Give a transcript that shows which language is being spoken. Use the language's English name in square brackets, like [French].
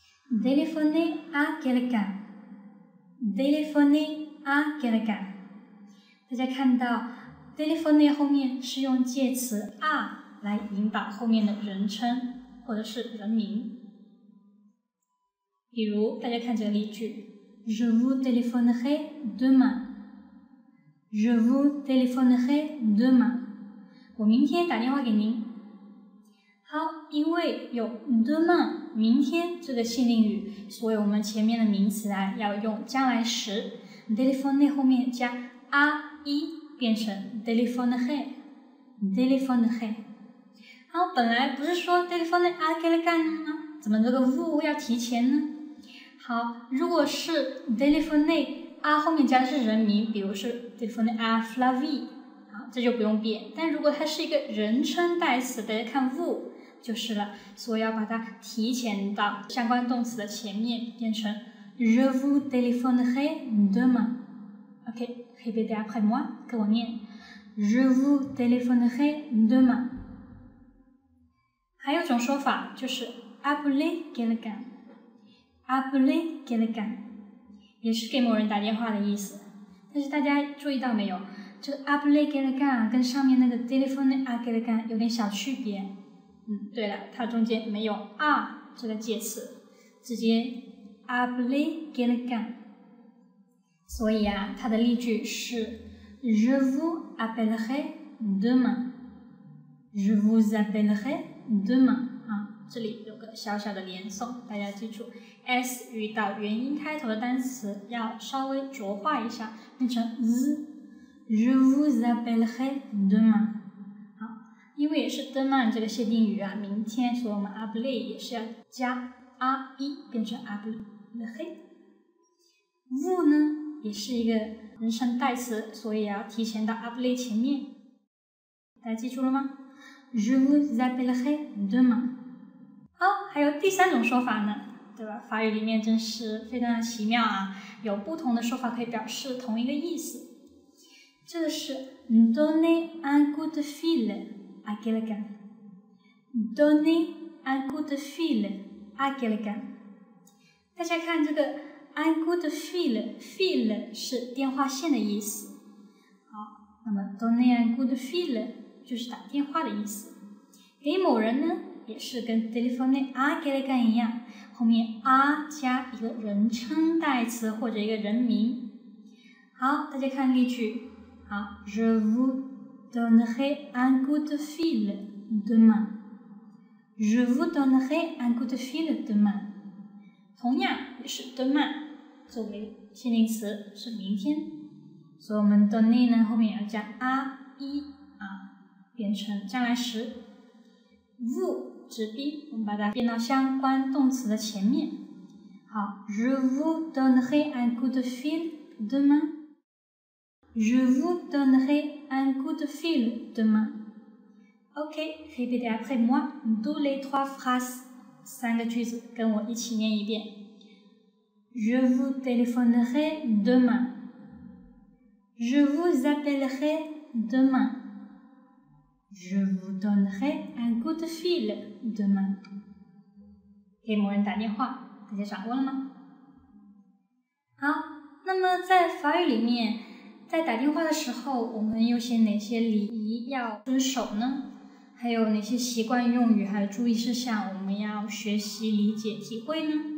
[French] Téléphoner à quelqu'un. Téléphoner à quelqu'un. [Chinese] 大家看到 téléphoner 后面是用介词 à 来引导后面的人称或者是人名。比如大家看这个例句， [French] Je vous téléphonerai demain. Je vous téléphonerai demain. [Chinese] 我明天打电话给您。好，因为有 demain 明天这个限定语，所以我们前面的名词啊要用将来时 téléphoner 后面加 à 一，变成 téléphonerai. téléphonerai. 好，本来不是说 téléphoner à quelqu'un 吗？怎么这个 vous 要提前呢？好，如果是 téléphoner à 后面加的是人名，比如是 téléphoner à Flavie， 好，这就不用变。但如果它是一个人称代词，大家看 vous 就是了，所以要把它提前到相关动词的前面，变成 [French] Je vous téléphonerai demain. OK, répétez après moi, [Chinese] 跟我念 [French] Je vous téléphonerai demain. [Chinese] 还有一种说法就是 appeler quelqu'un. Appeler quelqu'un 也是给某人打电话的意思，但是大家注意到没有，这个 appeler quelqu'un 跟上面那个 téléphoner à quelqu'un 有点小区别。对了，它中间没有 à 这个介词，直接 appeler quelqu'un。所以啊，它的例句是 [French] Je vous appellerai demain. Je vous appellerai demain. [Chinese] 这里有个小小的连诵，大家记住 S 遇到元音开头的单词要稍微浊化一下，变成 Z。 [French] Je vous appellerai demain。 [Chinese] 好，因为也是 demain 这个限定语啊，明天，所以我们 appeler 也是要加 à 一，变成 appelerai。 vous 呢也是一个人称代词，所以要提前到 appeler 前面。大家记住了吗？ [French] Je vous appellerai demain [Chinese] 好，还有第三种说法呢，对吧？法语里面真是非常的奇妙啊，有不同的说法可以表示同一个意思。这个是 donner un coup de fil à quelqu'un. [French] Donner un coup de fil à quelqu'un. [Chinese] 大家看这个 un coup de fil, fil 是电话线的意思。好，那么 donner un coup de fil 就是打电话的意思。给某人呢也是跟 téléphoner à quelqu'un 一样，后面 à 加一个人称代词或者一个人名。好，大家看例句。 [French] 好， Je vous donnerai un coup de fil demain. Je vous donnerai un coup de fil demain. [Chinese] 同样也是 demain 作为限定词，是明天，所以我们 donner 呢后面要加 à 一啊，变成将来时。 vous指宾，我们把它变到相关动词的前面。 [French] 好， Je vous donnerai un coup de fil demain. Je vous donnerai un coup de fil demain. OK, répétez après moi toutes les trois phrases. [Chinese] 三个句子跟我一起念一遍。 [French] Je vous téléphonerai demain. Je vous appellerai demain. Je vous donnerai un coup de fil demain. [Chinese] 给某人打电话，大家掌握了吗？好，那么在法语里面，在打电话的时候，我们有些哪些礼仪要遵守呢？还有哪些习惯用语还有注意事项我们要学习理解体会呢？